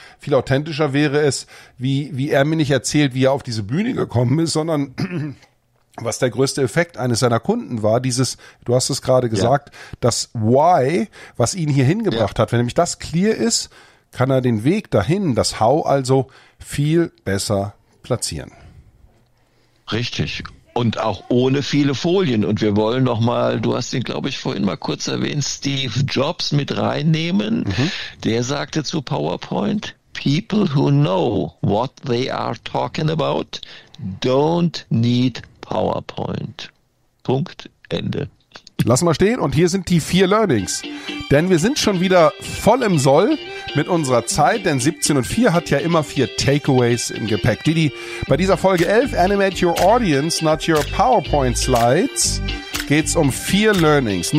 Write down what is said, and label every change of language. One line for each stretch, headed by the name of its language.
German: Viel authentischer wäre es, wie er mir nicht erzählt, wie er auf diese Bühne gekommen ist, sondern was der größte Effekt eines seiner Kunden war, dieses, du hast es gerade gesagt, das Why, was ihn hier hingebracht hat. Wenn nämlich das clear ist, kann er den Weg dahin, das How, also viel besser platzieren. Richtig. Und auch ohne viele Folien. Und wir wollen nochmal, du hast ihn, glaube ich, vorhin mal kurz erwähnt, Steve Jobs mit reinnehmen. Mhm. Der sagte zu PowerPoint,
English: people who know what they are talking about don't need PowerPoint.
German: Punkt. Ende. Lass mal stehen. Und hier sind die vier Learnings. Denn wir sind schon wieder voll im Soll mit unserer Zeit. Denn 17 und 4 hat ja immer vier Takeaways im Gepäck. Didi, bei dieser Folge 11, Animate Your Audience, Not Your PowerPoint Slides, geht's um vier Learnings.